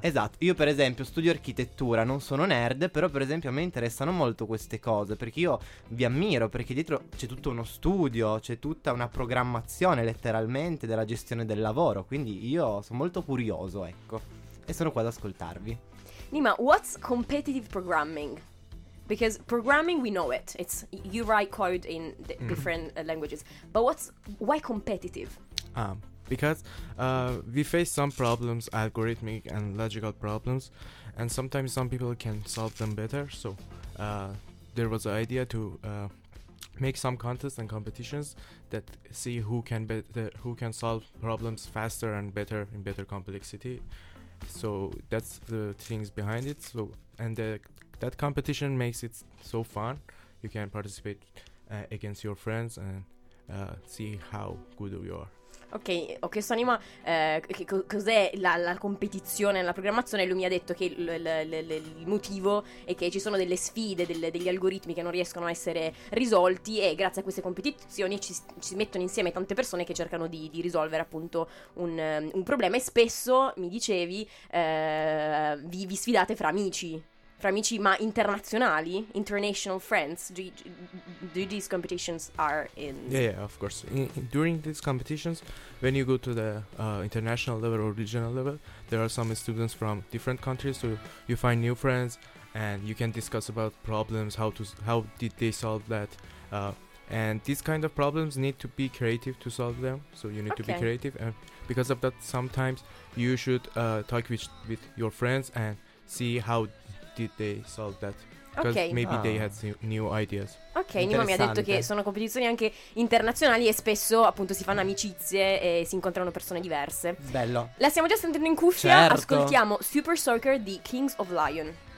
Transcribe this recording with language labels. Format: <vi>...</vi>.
<it>Esatto, io per esempio studio architettura, non sono nerd, però per esempio a me interessano molto queste cose, perché io vi ammiro, perché dietro c'è tutto uno studio, c'è tutta una programmazione letteralmente della gestione del lavoro, quindi io sono molto curioso, ecco, e sono qua ad ascoltarvi.</it> <en>Nima, what's competitive programming? Because programming, we know it. It's you write code in different languages. But why competitive? Because we face some problems, algorithmic and logical problems, and sometimes some people can solve them better. So there was an idea to make some contests and competitions that see who can solve problems faster and better in better complexity. So that's the things behind it. So and the that competition makes it so fun. You can participate against your friends and see how good you are.</en> <it>Ok, ho chiesto a Nima cos'è la competizione nella programmazione. Lui mi ha detto che il motivo è che ci sono delle sfide, degli algoritmi che non riescono a essere risolti, e grazie a queste competizioni ci mettono insieme tante persone che cercano di risolvere appunto un problema. E spesso, mi dicevi, vi sfidate fra amici. Tra amici, ma internazionali?</it> <en>International friends? Do these competitions are in? Yeah, of course. During these competitions, when you go to the international level or regional level, there are some students from different countries, so you find new friends and you can discuss about problems, how did they solve that. And these kind of problems need to be creative to solve them. So you need to be creative. And because of that, sometimes you should talk with your friends and see how did they solve that. Maybe they had new ideas.</en> <it>Ok, Nima mi ha detto che sono competizioni anche internazionali e spesso appunto si fanno amicizie e si incontrano persone diverse. Bello. La stiamo già sentendo in cuffia, certo. Ascoltiamo Super Soaker di Kings of Leon.</it>